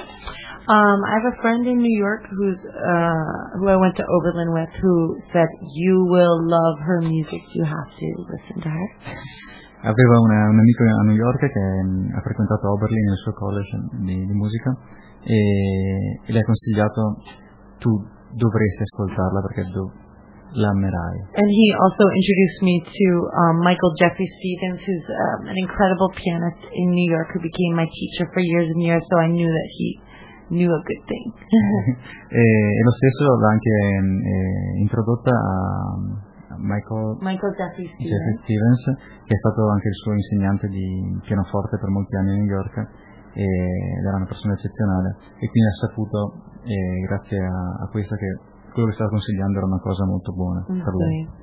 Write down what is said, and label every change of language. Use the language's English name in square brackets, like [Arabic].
[English] I have a friend in New York who I went to Oberlin with, who said you will love her music, you have to listen to her. [Italian] Aveva un amico a New York che ha frequentato Oberlin nel suo college di musica, e le ha consigliato: tu dovresti ascoltarla perché la amerai. [English] And he also introduced me to Michael Jeffrey Stevens, who's an incredible pianist in New York, who became my teacher for years and years, so I knew that he knew a good thing. [Italian] E lo stesso l'ha anche introdotta a Michael Jeffrey Stevens, che è stato anche il suo insegnante di pianoforte per molti anni a New York, ed era una persona eccezionale, e quindi ha saputo, grazie a questo, che quello che stava consigliando era una cosa molto buona per lui.